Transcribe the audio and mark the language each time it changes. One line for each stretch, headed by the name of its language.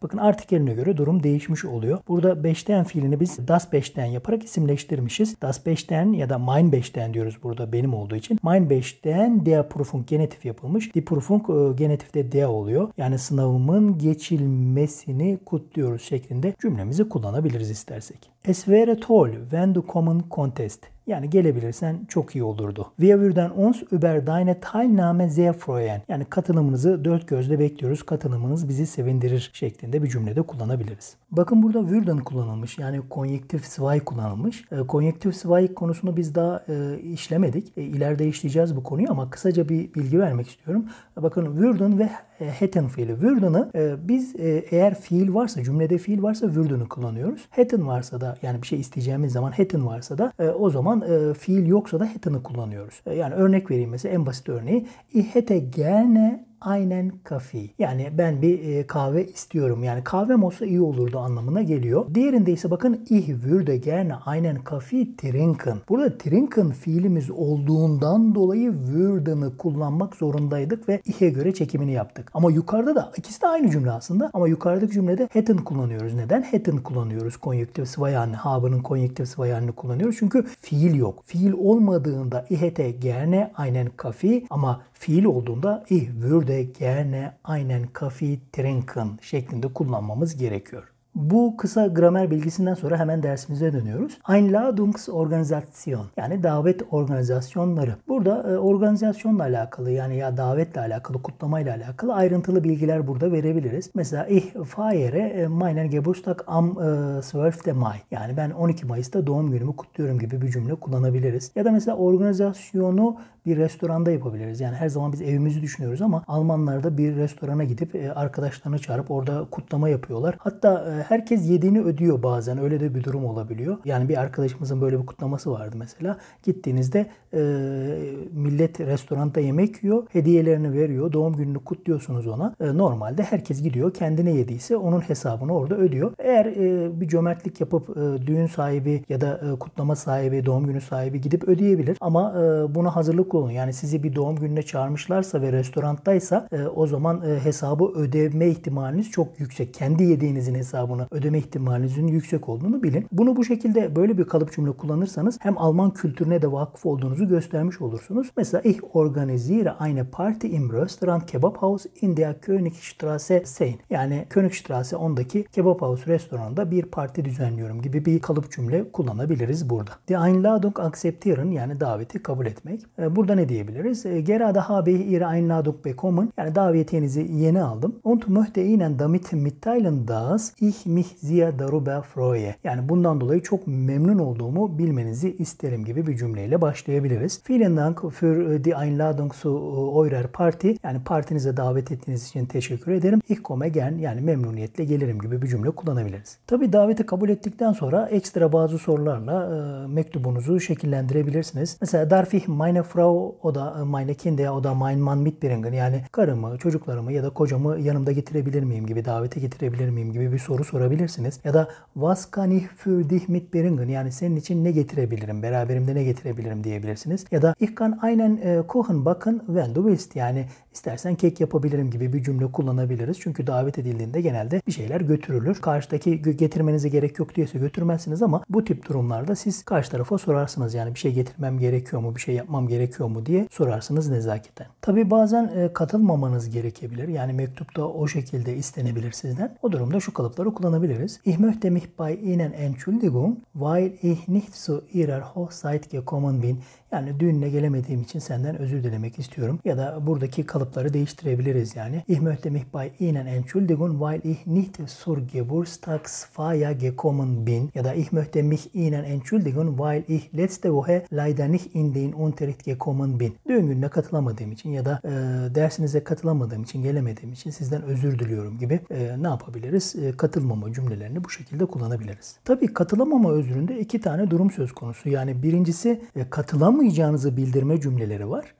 Turkish: Bakın artikeline göre durum değişmiş oluyor. Burada bestehen fiilini biz das bestehen yaparak isimleştirmişiz. Das bestehen ya da mein bestehen diyoruz burada benim olduğu için.
German: Mein bestehen der Prüfung
Turkish: genetif yapılmış. Die Prüfung genetifte der oluyor. Yani sınavımın geçilmesini kutluyoruz şeklinde cümlemizi kullanabiliriz istersek.
German: Es wäre toll, wenn du kommen könntest.
Turkish: Yani gelebilirsen çok iyi olurdu.
German: Wir würden uns über deine Teilnahme sehr freuen.
Turkish: Yani katılımınızı dört gözle bekliyoruz. Katılımınız bizi sevindirir şeklinde bir cümlede kullanabiliriz. Bakın burada würden kullanılmış. Yani konjektif zwei kullanılmış. Konjektif zwei konusunu biz daha işlemedik. İleride işleyeceğiz bu konuyu ama kısaca bir bilgi vermek istiyorum. Bakın würden ve hätten fiili. Würden'ı biz eğer fiil varsa, cümlede fiil varsa würden'ı kullanıyoruz. Hätten varsa da, yani bir şey isteyeceğimiz zaman hätten varsa da o zaman fiil yoksa da hätten'ı kullanıyoruz. Yani örnek vereyim mesela, en basit örneği.
German: Ich hätte gerne einen Kaffee.
Turkish: Yani ben bir kahve istiyorum. Yani kahvem olsa iyi olurdu anlamına geliyor. Diğerinde ise bakın
German: ich würde gerne einen Kaffee trinken.
Turkish: Burada trinken fiilimiz olduğundan dolayı würden'ı kullanmak zorundaydık ve ich'e göre çekimini yaptık. Ama yukarıda da ikisi de aynı cümle aslında. Ama yukarıdaki cümlede hätten kullanıyoruz. Neden? Hätten kullanıyoruz. Konjektif zweihänden. Haben'ın konjektif zweihänden kullanıyoruz. Çünkü fiil yok. Fiil olmadığında
German: ich hätte gerne einen Kaffee,
Turkish: ama fiil olduğunda
German: ich würde gerne einen Kaffee trinken
Turkish: şeklinde kullanmamız gerekiyor. Bu kısa gramer bilgisinden sonra hemen dersimize dönüyoruz. Einladungsorganisation, yani davet organizasyonları. Burada organizasyonla alakalı, yani ya davetle alakalı, kutlamayla alakalı ayrıntılı bilgiler burada verebiliriz.
German: Mesela ich feiere meinen Geburtstag am 12. Mai.
Turkish: Yani ben 12 Mayıs'ta doğum günümü kutluyorum gibi bir cümle kullanabiliriz. Ya da mesela organizasyonu bir restoranda yapabiliriz. Yani her zaman biz evimizi düşünüyoruz ama Almanlar da bir restorana gidip arkadaşlarını çağırıp orada kutlama yapıyorlar. Hatta herkes yediğini ödüyor bazen. Öyle de bir durum olabiliyor. Yani bir arkadaşımızın böyle bir kutlaması vardı mesela. Gittiğinizde millet restoranda yemek yiyor. Hediyelerini veriyor. Doğum gününü kutluyorsunuz ona. Normalde herkes gidiyor. Kendine yediyse onun hesabını orada ödüyor. Eğer bir cömertlik yapıp düğün sahibi ya da kutlama sahibi, doğum günü sahibi gidip ödeyebilir. Ama buna hazırlık olun. Yani sizi bir doğum gününe çağırmışlarsa ve restoranttaysa o zaman hesabı ödeme ihtimaliniz çok yüksek. Kendi yediğinizin hesabını ödeme ihtimalinizin yüksek olduğunu bilin. Bunu bu şekilde böyle bir kalıp cümle kullanırsanız hem Alman kültürüne de vakıf olduğunuzu göstermiş olursunuz.
German: Mesela ich organisiere eine Party im Restaurant Kebabhaus in der Königstraße 10.
Turkish: Yani Königstraße 10'daki Kebabhaus restoranında bir parti düzenliyorum gibi bir kalıp cümle kullanabiliriz burada.
German: Die Einladung akzeptieren,
Turkish: yani daveti kabul etmek. Burada ne diyebiliriz?
German: Gerade habe ich Ihre Einladung bekommen.
Turkish: Yani davetinizi yeni aldım.
German: Und möchte Ihnen damit mitteilen da ich mich sehr darüber freue.
Turkish: Yani bundan dolayı çok memnun olduğumu bilmenizi isterim gibi bir cümleyle başlayabiliriz.
German: Vielen Dank für die Einladung zu eurer Party.
Turkish: Yani partinize davet ettiğiniz için teşekkür ederim.
German: Ich komme gern,
Turkish: yani memnuniyetle gelirim gibi bir cümle kullanabiliriz. Tabii daveti kabul ettikten sonra ekstra bazı sorularla mektubunuzu şekillendirebilirsiniz.
German: Mesela darf ich meine Frau oder meine Kinder oder mein Mann mitbringen?
Turkish: Yani karımı, çocuklarımı ya da kocamı yanımda getirebilir miyim gibi, davete getirebilir miyim gibi bir soru sorabilirsiniz.
German: Ya da was kann ich für dich mitbringen?
Turkish: Yani senin için ne getirebilirim? Beraberimde ne getirebilirim diyebilirsiniz.
German: Ya da ich kann einen kochen backen, wenn du willst.
Turkish: Yani istersen kek yapabilirim gibi bir cümle kullanabiliriz. Çünkü davet edildiğinde genelde bir şeyler götürülür. Karşıdaki getirmenize gerek yok diyorsa götürmezsiniz ama bu tip durumlarda siz karşı tarafa sorarsınız. Yani bir şey getirmem gerekiyor mu? Bir şey yapmam gerekiyor mu diye sorarsınız nezaketen. Tabii bazen katılmamanız gerekebilir. Yani mektupta o şekilde istenebilir sizden. O durumda şu kalıpları kullanabiliriz.
German: Ich möchte mich bei Ihnen entschuldigen, weil ich nicht zu Ihrer Hochzeit gekommen bin.
Turkish: Yani düğününe gelemediğim için senden özür dilemek istiyorum. Ya da buradaki kalıpları değiştirebiliriz yani.
German: Ich möchte mich bei Ihnen entschuldigen, weil ich nicht zur Geburtstagsfeier gekommen bin. Ya da ich möchte mich Ihnen entschuldigen, weil ich letzte Woche leider nicht in den Unterricht gekommen bin.
Turkish: Düğün gününe katılamadığım için ya da dersinize katılamadığım için, gelemediğim için sizden özür diliyorum gibi ne yapabiliriz? Katılmama cümlelerini bu şekilde kullanabiliriz. Tabii katılamama özründe iki tane durum söz konusu. Yani birincisi katılamayacağınızı bildirme cümleleri var.